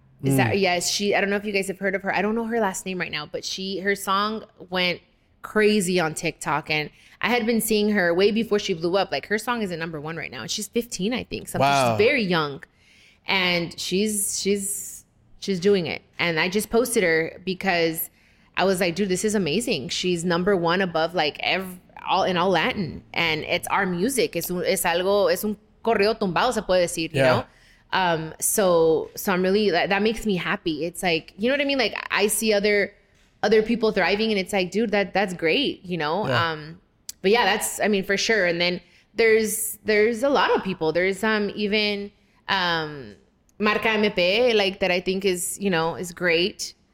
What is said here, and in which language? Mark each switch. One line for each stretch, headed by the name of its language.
English: Yes, she I don't know if you guys have heard of her. I don't know her last name right now, but her song went crazy on TikTok, and I had been seeing her way before she blew up. Like, her song is at number one right now, and she's 15, I think. Something. Wow. She's very young, and she's doing it. And I just posted her because I was like, dude, this is amazing. She's number one above like all Latin, and it's our music.
Spanish: Es algo, es un corrido tumbado, se puede decir,
English: you know? So I'm really, that makes me happy. It's like, you know what I mean? Like, I see other people thriving, and it's like, dude, that's great, you know? Yeah. But yeah, that's, I mean, for sure. And then there's a lot of people. There's even Marca MP, like, that I think is, you know, is great.